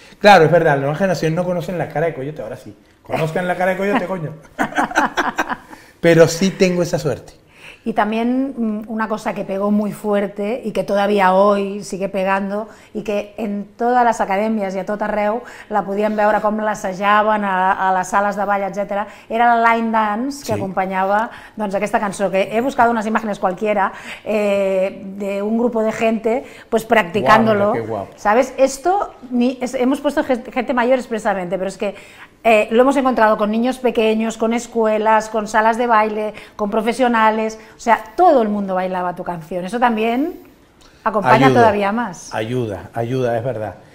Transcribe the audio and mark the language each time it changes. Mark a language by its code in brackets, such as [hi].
[es] Claro, es verdad, las nuevas generaciones no conocen la cara de Coyote, ahora sí. Conozcan la cara de Coyote, coño. Pero sí tengo esa suerte. Y también una cosa que pegó muy fuerte y que todavía hoy sigue pegando y que en todas las academias y [ca] a tot arreu la podien veure com l'assajaven a les sales de ball, etc. Era la line dance que acompanyava doncs, aquesta cançó, que he buscat unes imatges qualsevol d'un grup de gent pues, practicant-lo. [es] ¿Sabes? Esto, hemos puesto gente mayor expresamente, pero es que lo hemos encontrado con niños pequeños, con escuelas, con salas de baile, con profesionales, o sea, todo el mundo bailaba tu canción, eso también acompaña todavía más. Ayuda, es verdad.